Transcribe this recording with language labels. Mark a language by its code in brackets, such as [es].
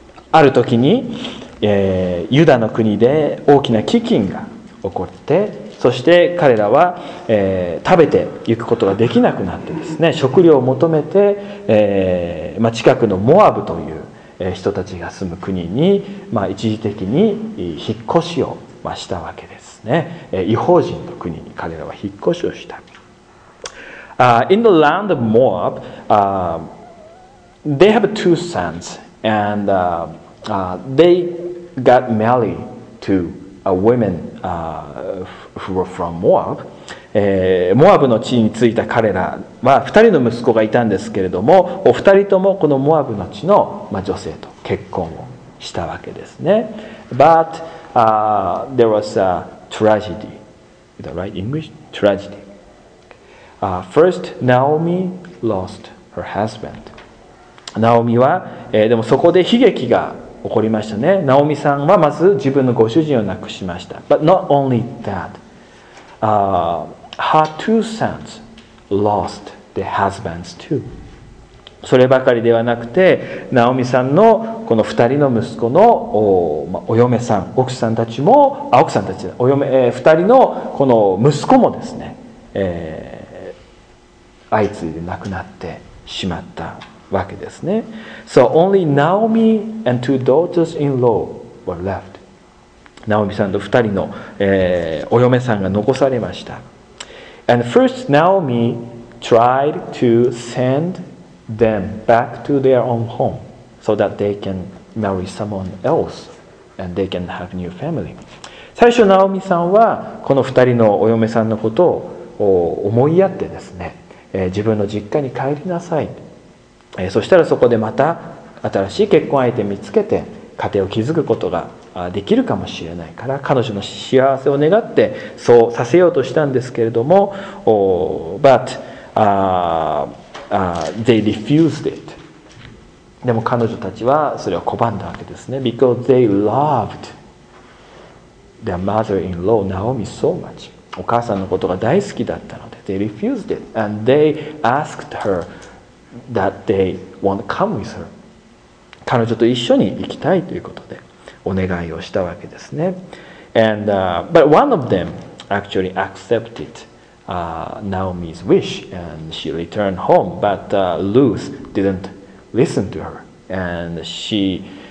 [ja] ある時に、ユダの国で大きな飢饉が起こって、そして彼らは、食べていくことができなくなってですね、食料を求めて、近くのモアブという人たちが住む国に、一時的に引っ越しをしたわけですね。異邦人の国に彼らは引っ越しをした。 [en] In the land of Moab, they have two sons, andthey got married to a woman who were from Moab. [ja] モアブの地に着いた彼らは2人の息子がいたんですけれども、お二人ともこのモアブの地の女性と結婚をしたわけですね。 [en] But there was a tragedy. Is that right? English? Tragedy. First, Naomi lost her husband. [ja] ナオミは、でもそこで悲劇が起こりましたね。ナオミさんはまず自分のご主人を亡くしました。 [en] But not only that, her two sons lost their husbands too. [ja] そればかりではなくて、ナオミさんのこの二人の息子の お嫁さん、奥さんたちも、奥さんたち、お嫁、二人のこの息子もですね、相次いで亡くなってしまった。わけですね。 [en] So only Naomi and two daughters-in-law were left. [ja] ナオミさんと二人の、お嫁さんが残されました。 [en] And first Naomi tried to send them back to their own home so that they can marry someone else and they can have new family. [ja] 最初ナオミさんはこの二人のお嫁さんのことを思いやってですね、自分の実家に帰りなさい。そしたらそこでまた新しい結婚相手見つけて家庭を築くことができるかもしれないから、彼女の幸せを願ってそうさせようとしたんですけれども、 [en] they refused it. [ja] でも彼女たちはそれを拒んだわけですね。 [en] Because they loved their mother-in-law Naomi so much. [ja] お母さんのことが大好きだったので [en] they refused it and they asked her that they want to come with her [ja] 彼女と一緒に行きたいということでお願いをしたわけですね [en] and, but one of them actually accepted、Naomi's wish and she returned home but、Ruth didn't listen to her and she